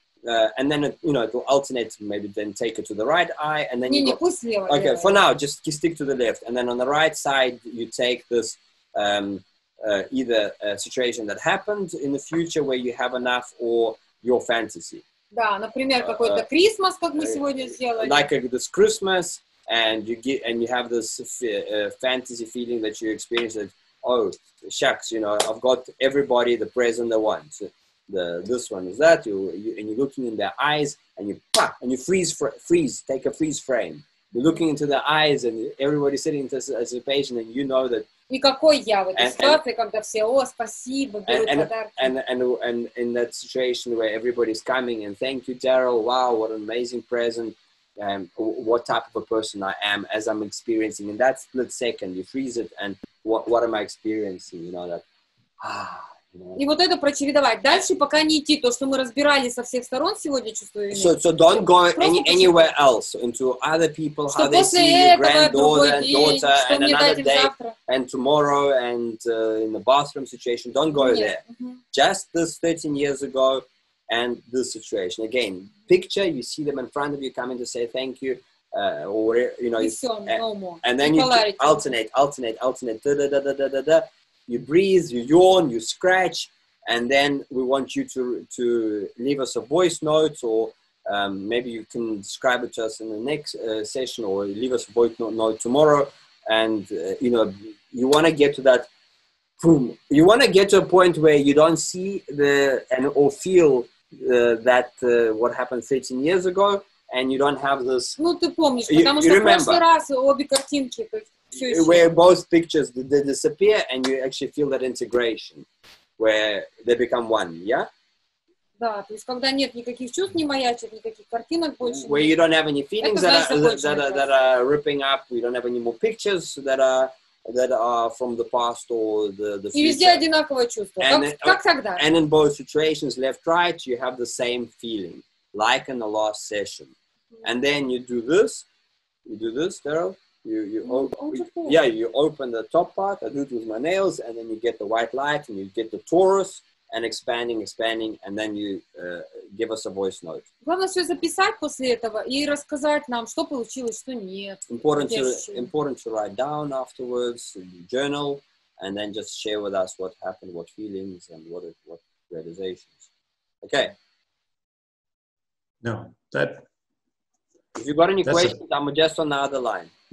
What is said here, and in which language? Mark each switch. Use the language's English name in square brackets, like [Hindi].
[English] And then it, you know, it will alternate, maybe then take it to the right eye, and then for now just stick to the left, and then on the right side you take this either a situation that happened in the future where you have enough, or your fantasy, like this Christmas, and you have this fantasy feeling that you experience that, oh shucks, you know, I've got everybody the present they want. This one is that you and you're looking in their eyes and you freeze, take a freeze frame. You're looking into their eyes and everybody sitting in this as a patient and you know that. [Russian] И какой я в этой ситуации, когда все, о, спасибо, берут подарки. [English] And in that situation where everybody's coming and thank you, Daryl. Wow, what an amazing present. What type of a person I am as I'm experiencing in that split second, you freeze it and what am I experiencing? You know that. [Russian] И вот это прочередовать. Дальше пока не идти. То, что мы разбирали со всех сторон сегодня, чувствую. [English] So don't go anywhere else into other people, how they see your granddaughter, daughter, and another day, and tomorrow, and in the bathroom situation. Don't go there. Just this 13 years ago and this situation. Again, picture, you see them in front of you coming to say thank you. Or, you know, and then you alternate, da-da-da-da-da-da-da. You breathe, you yawn, you scratch, and then we want you to leave us a voice note, or maybe you can describe it to us in the next session, or leave us a voice note tomorrow. And you know, you want to get to that, boom. You want to get to a point where you don't see what happened 13 years ago, and you don't have this. [Russian] Ну ты помнишь, потому что [English] remember. [Russian] В прошлый раз обе картинки. [English] Where both pictures they disappear and you actually feel that integration, where they become one, yeah. [Russian] Да, то есть когда нет никаких чувств, не маячит никаких картинок больше. [English] Where you don't have any feelings that are ripping up, we don't have any more pictures that are from the past or the future. [Russian] И везде одинаковое чувство, как тогда. [English] And in both situations, left right, you have the same feeling, like in the last session, and then you do this, Daryl. You open the top part, I do it with my nails, and then you get the white light, and you get the torus, and expanding, and then you give us a voice note. [Russian] Главное все записать после этого и рассказать нам, что получилось, что нет. [English] Important to write down afterwards, journal, and then just share with us what happened, what feelings, and what realizations. Okay. No, that. If you got any questions, I'm just on the other line.